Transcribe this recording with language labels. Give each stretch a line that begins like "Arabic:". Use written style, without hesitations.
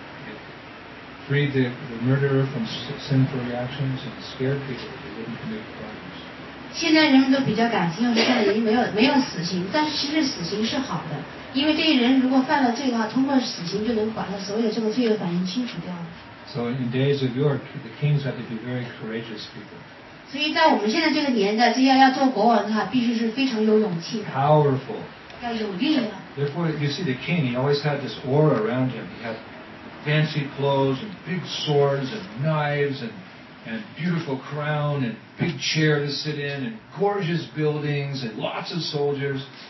English: It freed the murderer from sinful reactions and scared people that they wouldn't commit crimes.
Chinese: 现在人们都比较感性，现在已经没有死刑，但是其实死刑是好的。因为这些人如果犯了罪的话，通过死刑就能把他所有这个罪的反应清除掉了。
English: So in days of yore, the kings had to be very courageous people.
Chinese: 所以在我们现在这个年代，这些要做国王的话，必须是非常有勇气的。
English: Powerful.
Chinese: 要有力量。
English: Therefore, you see the king, he always had this aura around him. He had fancy clothes and big swords and knives and beautiful crown and big chair to sit in and gorgeous buildings and lots of soldiers.